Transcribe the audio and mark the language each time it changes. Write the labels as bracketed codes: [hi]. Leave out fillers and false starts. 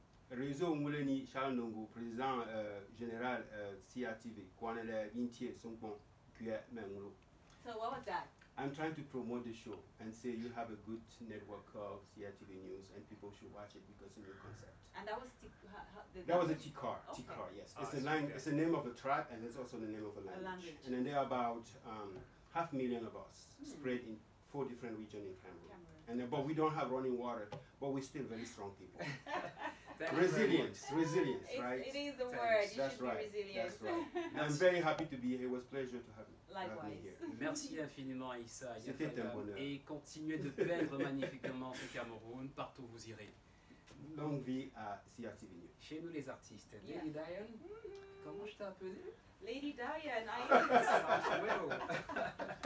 [fr] Réseau Mouleni Charles Nongo, président général CRTV, Kwane Le Vintier, Songpon, Kuya Mengulu. [en] So what was that? I'm trying to promote the show and say you have a good network of CRTV News and people should watch it because of your concept. And that was the that was a Tikar. Tikar, okay. Yes. Oh, it's a line, it's the name of a tribe, and it's also the name of a language. And then there are about 500,000 of us spread in 4 different regions in Cameroon. And then, but we don't have running water, but we're still very strong people. resilience, right? It is the Thanks. Word. That's you should right. be resilient. That's right. I'm very happy to be here. It was a pleasure to have you. Likewise. [fr] Merci infiniment, Issa. C'était un bonheur. Et continuez de peindre magnifiquement ce Cameroun partout où vous irez. Longue vie à CRTV News. Chez nous, les artistes. [en] Yeah. [fr] Lady Diane, comment je t'ai appelée? [en] Lady Diane, I am.